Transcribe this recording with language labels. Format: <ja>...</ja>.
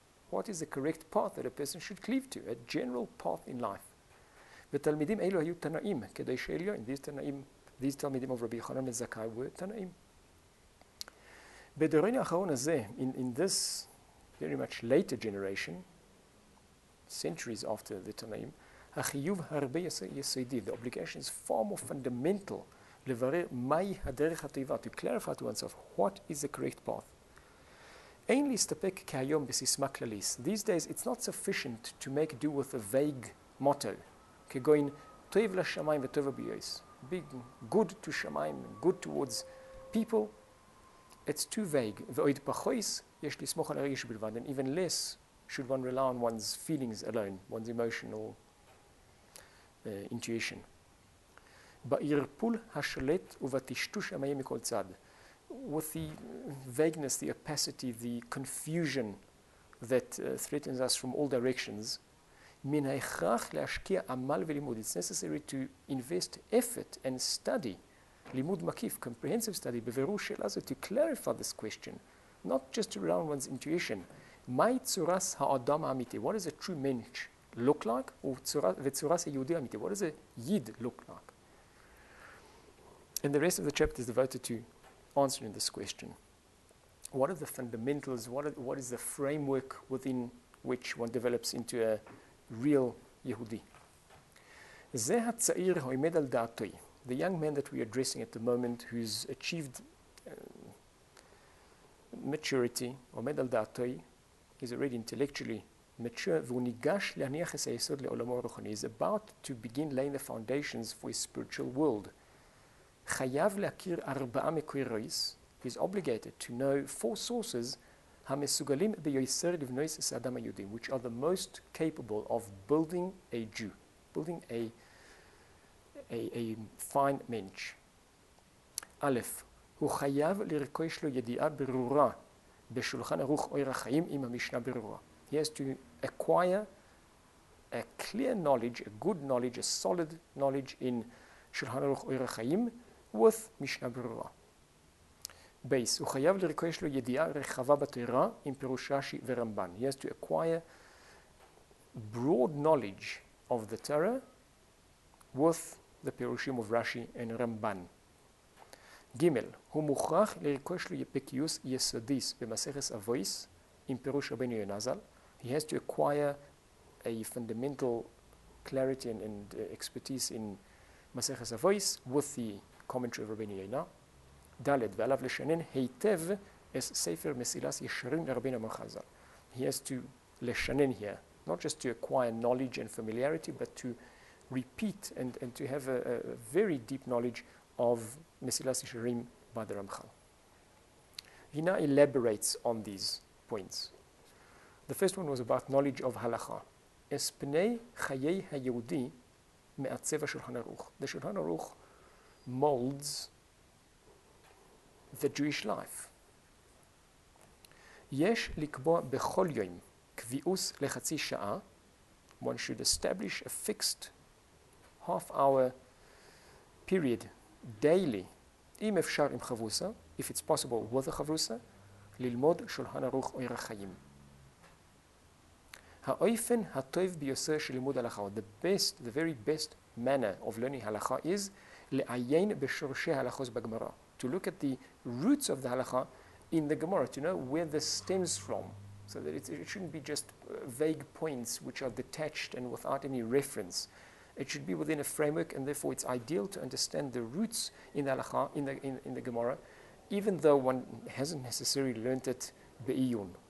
<en>What is the correct path that a person should cleave to, a general path in life?</en> <he>ותלמידים אלו היו תנאים, כדי שאליו, these תלמידים of רבי יוחנן בן זכאי were תנאים. בדורנו האחרון הזה,</he> <en>in this very much later generation, centuries after the תנאים,</en> <he>החיוב הרבה יסודי,</he> <en>the obligation is far more fundamental</en> <he>לברר מהי הדרך הטובה,</he> <en>to clarify to oneself what is the correct path.</en> <he>אין להסתפק כהיום בסיסמה כללית.</he> <en>These days it's not sufficient to make do with a vague motto.</en> <he>כגוין, טוב לשמיים וטוב הביאס.</he> <en>Big, good to שמיים, good towards people. It's too vague.</en> <he>ועוד פחויס, יש לסמוך על הרגש בלבד.</he> <en>And even less should one rely on one's feelings alone, one's emotional intuition.</en> <he>בערפול השולט ובטשטוש המהיר מכל צד.</he> <en>With the vagueness, the opacity, the confusion that threatens us from all directions,</en> <he>מן ההכרח להשקיע עמל ולימוד.</he> <en>It's necessary to invest effort and study,</en> <he>לימוד מקיף,</he> <en>comprehensive study,</en> <he>בבירור שאלה זו,</he> <en>to clarify this question, not just to rely on one's intuition.</en> <he>מהי צורס האדם האמיתי?</he> <en>What does a true mensch look like?</en> <he>וצורס היהודי האמיתי?</he> <en>What does a yid look like? And the rest of the chapter is devoted to answering this question. What are the fundamentals? What is the framework within which one develops into a real Yehudi.</en> <he>זה הצעיר העומד על דעתוי.</he> <en>The young man that we are addressing at the moment who's achieved maturity,</en> <he>עומד על דעתוי,</he> <en>he's already intellectually mature,</en> <he>והוא ניגש להניח את היסוד לעולמו הרוחני.</he> <en>He's about to begin laying the foundations for his spiritual world.</en> <he>חייב להכיר ארבעה מקורות.</he> <en>He's obligated to know four sources</en> <he>המסוגלים ביוסר לבנויס את האדם היהודי,</he> <en>which are the most capable of building a Jew, building a fine mensch.</en> <he>א', הוא חייב לרכוש לו ידיעה ברורה בשולחן ערוך אור החיים עם המשנה ברורה.</he> <en>He has to acquire a clear knowledge, a good knowledge, a solid knowledge in שולחן ערוך אור החיים with משנה ברורה.</en> <he>בייס, הוא חייב לרכוש לו ידיעה רחבה בתורה עם פירוש רש"י ורמב"ן.</he> <en>He has to acquire broad knowledge of the Torah with the פירושים of רש"י and רמב"ן.</en> <he>גימל, הוא מוכרח לרכוש לו בקיוס יסודיס במסכת אבויס עם פירוש רבנו יונה ז"ל.</he> <en>He has to acquire a fundamental clarity and expertise in מסכת אבויס with the commentary of רבנו יונה.</en> <he>דלת, ועליו לשנן היטב את ספר מסילס ישרים לרבין המחזר.</he> <en>He has to לשנן here, not just to acquire knowledge and familiarity, but to repeat and to have a very deep knowledge of מסילס ישרים by the רמח"ל. He now elaborates on these points. The first one was about knowledge of הלכה.</en> <he>אס פני חיי היהודי מעצב השולחן ערוך.</he> <en>The שולחן ערוך molds the Jewish life.</en> <he>יש לקבוע בכל יום קביעוס לחצי שעה.</he> <en>One should establish a fixed half-hour period daily,</en> <he>אם אפשר עם חבוסה,</he> <en>if it's possible with a חבוסה,</en> <he>ללמוד שולחן ערוך אור החיים. האופן הטוב ביותר של לימוד הלכה,</he> <en>the best, the very best manner of learning הלכה is</en> <he>לעיין בשורשי הלכות בגמרא.</he> <en>To look at the roots of the halakha in the Gemara, to know where this stems from, so that it shouldn't be just vague points which are detached and without any reference. It should be within a framework, and therefore it's ideal to understand the roots in the halakha, in the Gemara, even though one hasn't necessarily learnt it be'iyun.</en>